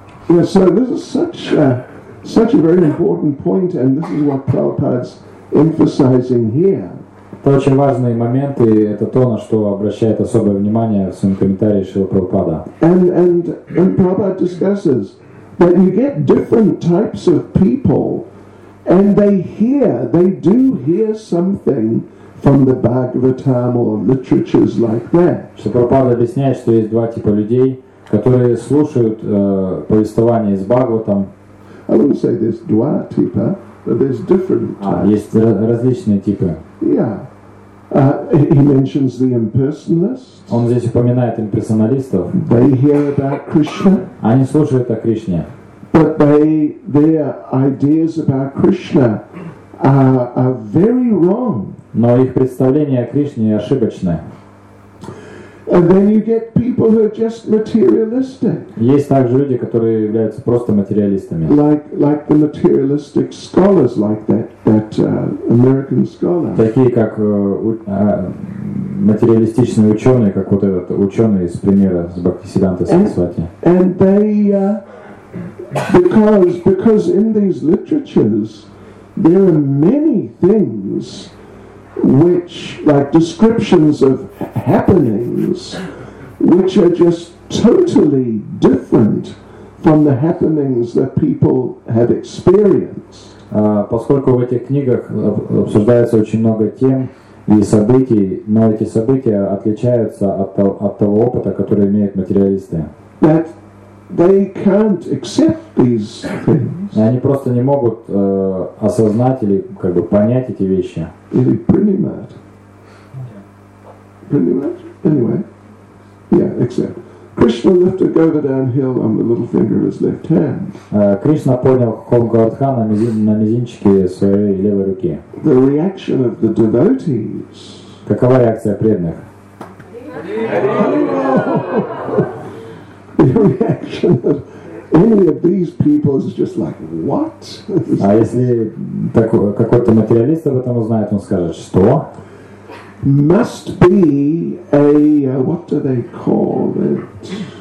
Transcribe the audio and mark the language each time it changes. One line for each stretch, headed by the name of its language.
English: Yeah, so this is such a very important point, and this is what Prabhupada's emphasizing here.
Russian: Это очень важный момент, и это то, на что обращает особое внимание в своем комментарии Шрила Прабхупада.
English: And Prabhupada discusses that you get different types of people, and they do hear something from the Bhagavatam or literatures like that.
Russian: Шрила Прабхупада объясняет, что есть два типа людей, которые слушают повествование из Бхагаватам.
English: I wouldn't say there's
Russian: два типа,
English: but there's different types.
Russian: Есть различные типы.
English: Yeah. He mentions the impersonalists.
Russian: Он здесь упоминает имперсоналистов.
English: They hear about Krishna.
Russian: Они слушают о Кришне.
English: But their ideas about Krishna are very wrong.
Russian: Но их представление о Кришне ошибочное.
English: And then you get people who are just materialistic.
Russian: Есть также люди, которые являются просто материалистами.
English: Like the materialistic scholars, like that American scholar.
Russian: Такие как материалистичные ученые, как вот этот ученый из примера с Бхактисиддханта Сарасвати.
English: And they because in these literatures there are many things which, like descriptions of happenings, which are just totally different from the happenings that people have experienced.
Russian: Поскольку в этих книгах обсуждается очень много тем и событий, но эти события отличаются от того опыта, который имеют материалисты.
English: That they can't accept these things.
Russian: Они просто не могут осознать или как бы понять эти вещи. Или принимают. Принимают?
English: Anyway. Yeah, except. Krishna lifted Govardhan Hill on the little finger of his left hand.
Russian: Кришна поднял холм Говардхана на мизинчике своей левой руки.
English: The reaction of the devotees.
Russian: Какова реакция преданных?
English: The reaction of any of these people is just like, what?
Russian: А если какой-то материалист об этом узнает, он скажет, что?
English: Must be a, what do they call it?